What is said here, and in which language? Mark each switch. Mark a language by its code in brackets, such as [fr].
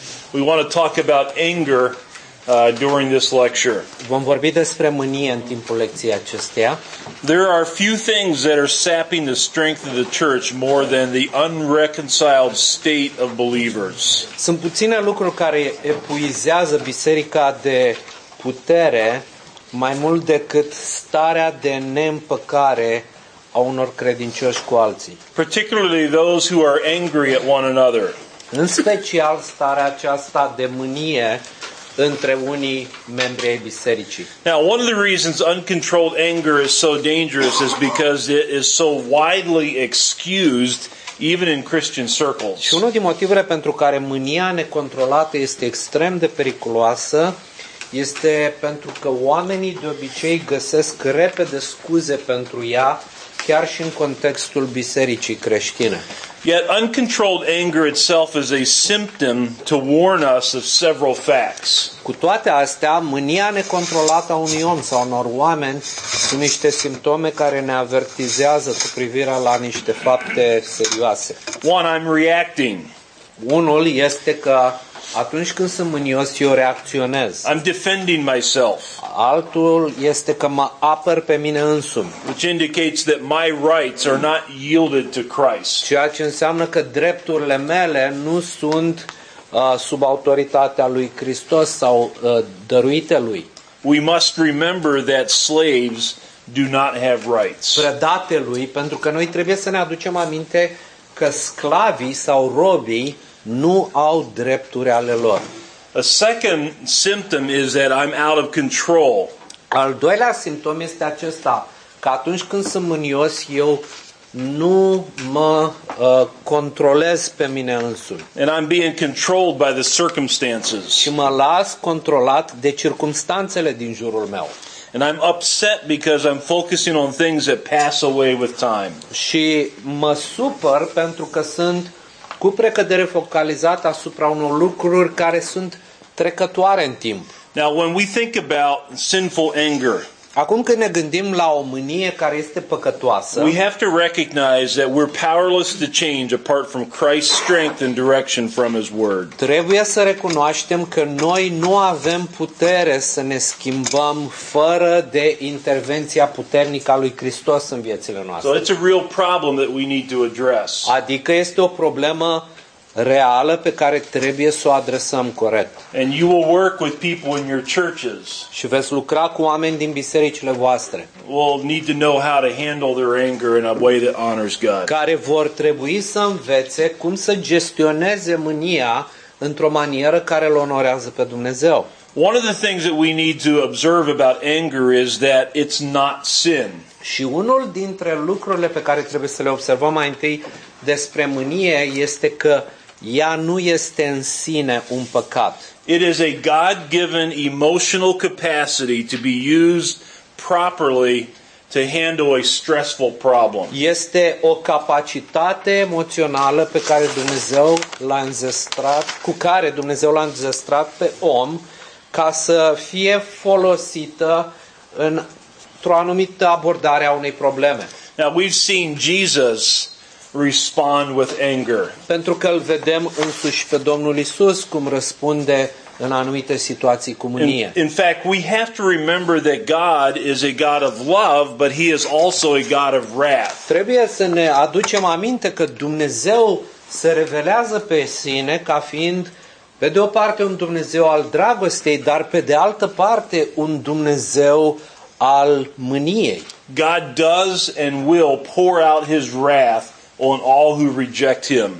[en] We want to talk about anger during this lecture. [ro] Vom vorbi despre mânie în timpul lecției acesteia. [en] There are few things that are sapping the strength of the church more than the unreconciled state of believers. [ro] Sunt puține lucruri care epuizează biserica de putere mai mult decât starea de neîmpăcare a unor credincioși cu alții. [en] Particularly those who are angry at one another. [ro] În special starea aceasta de mânie între unii membri ai bisericii. [en] Now, one of the reasons uncontrolled anger is so dangerous is because it is so widely excused even in Christian circles. [ro] Și unul din motivele pentru care mânia necontrolată este extrem de periculoasă este pentru că oamenii de obicei găsesc repede scuze pentru ea chiar și în contextul bisericii creștine. [en] Yet uncontrolled anger itself is a symptom to warn us of several facts. [ro] Cu toate astea, mânia necontrolată a unui om sau unor oameni sunt niște simptome care ne avertizează cu privire la niște fapte serioase. [en] One, I'm reacting. [ro] Unul este că atunci când sunt mânios, eu reacționez. [en] I'm defending myself. [ro] Altul este că mă apăr pe mine însumi. [en] Which indicates that my rights are not yielded to Christ. [ro] Ceea ce înseamnă că drepturile mele nu sunt sub autoritatea lui Hristos sau dăruite lui. [en] We must remember that slaves do not have rights. [ro] Predate lui, pentru că noi trebuie să ne aducem aminte că sclavii sau robii nu au drepturi ale lor. [en] A second symptom is that I'm out of control. [ro] Al doilea simptom este acesta, că atunci când sunt mânios, eu nu mă controlez pe mine însumi. [en] And I'm being controlled by the circumstances. [ro] Și mă las controlat de circumstanțele din jurul meu. [en] And I'm upset because I'm focusing on things that pass away with time. [ro] Și mă supăr pentru că sunt cu precădere focalizat asupra unor lucruri care sunt trecătoare în timp. [en] Now, when we think about sinful anger, [ro] acum când ne gândim la o mânie care este păcătoasă, [en] we have to recognize that we're powerless to change apart from Christ's strength and direction from His Word. [ro] Trebuie să recunoaștem că noi nu avem putere să ne schimbăm fără de intervenția puternică a lui Hristos în viețile noastre. [en] So it's a real problem that we need to address. [ro] Adică este o problemă reală pe care trebuie să o adresăm corect. [en] And you will work with people in your churches. [ro] Și veți lucra cu oameni din bisericile voastre. [en] Will need to know how to handle their anger in a way that honors God. [ro] Care vor trebui să învețe cum să gestioneze mânia într-o manieră care îl onorează pe Dumnezeu. [en] One of the things that we need to observe about anger is that it's not sin. [ro] Și unul dintre lucrurile pe care trebuie să le observăm mai întâi despre mânie este că ea nu este în sine un păcat. [en] It is a God-given emotional capacity to be used properly to handle a stressful problem. [ro] Este o capacitate emoțională pe care Dumnezeu l-a înzestrat, cu care Dumnezeu l-a înzestrat pe om ca să fie folosită într-o anumită abordare a unei probleme. [en] Now we've seen Jesus respond with anger. [ro] Pentru că îl vedem însuși pe Domnul Iisus cum răspunde în anumite situații cu mânie. [en] In fact, we have to remember that God is a God of love, but He is also a God of wrath. [ro] Trebuie să ne aducem aminte că Dumnezeu se revelează pe sine ca fiind pe de o parte un Dumnezeu al dragostei, dar pe de altă parte un Dumnezeu al mâniei. [en] God does and will pour out his wrath on all who reject him.